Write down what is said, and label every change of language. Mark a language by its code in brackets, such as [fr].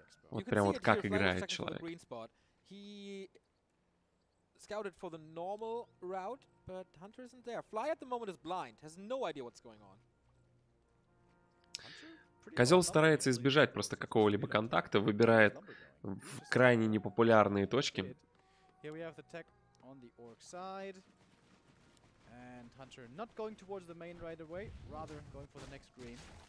[ru] Вот прям вот как играет человек. [en] He scouted for the normal route, but Hunter isn't there. Fly at the moment is blind, has no idea what's going on. [ru] Козел старается избежать просто какого-либо контакта, выбирает в крайне непопулярные точки. [en] Here we have the tech on the orc side. And Hunter not going towards the main right away, rather going for the next green.